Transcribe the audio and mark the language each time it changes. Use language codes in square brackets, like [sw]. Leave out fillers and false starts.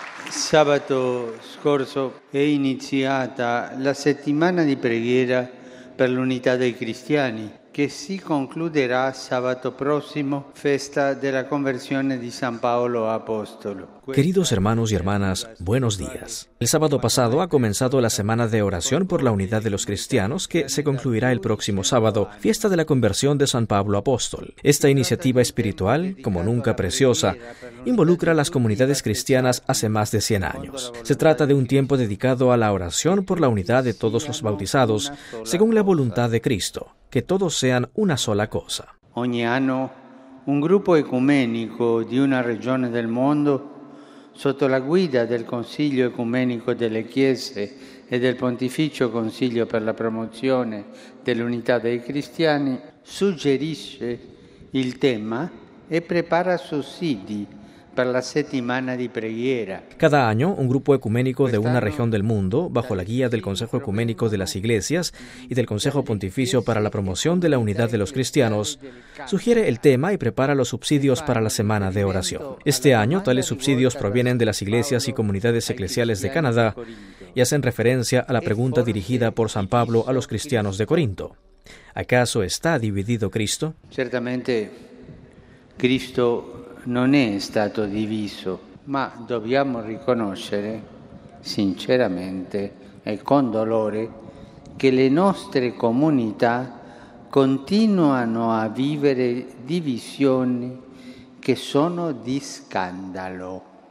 [it] Sabato scorso è iniziata la settimana di preghiera per l'unità dei cristiani, che si concluderà sabato prossimo, festa della conversione di San Paolo Apostolo. [es] Queridos hermanos y hermanas, buenos días. El sábado pasado ha comenzado la semana de oración por la unidad de los cristianos, que se concluirá el próximo sábado, fiesta de la conversión de San Pablo Apóstol. Esta iniciativa espiritual, como nunca preciosa, involucra a las comunidades cristianas hace más de 100 años. Se trata de un tiempo dedicado a la oración por la unidad de todos los bautizados, según la voluntad de Cristo, que todos sean una sola cosa. [it] Ogni anno, un grupo ecuménico di una regione del mondo, sotto la guida del Consiglio Ecumenico delle Chiese e del Pontificio Consiglio per la Promozione dell'Unità dei Cristiani, suggerisce il tema e prepara sussidi per la settimana di preghiera. [es] Cada año, un grupo ecuménico de una región del mundo, bajo la guía del Consejo Ecuménico de las Iglesias y del Consejo Pontificio para la Promoción de la Unidad de los Cristianos, sugiere el tema y prepara los subsidios para la semana de oración. Este año, tales subsidios provienen de las iglesias y comunidades eclesiales de Canadá y hacen referencia a la pregunta dirigida por San Pablo a los cristianos de Corinto. ¿Acaso está dividido Cristo? [it] Ciertamente, Cristo non è stato diviso, ma dobbiamo riconoscere sinceramente e con dolore che le nostre comunità continuano a vivere divisioni che sono di scandalo.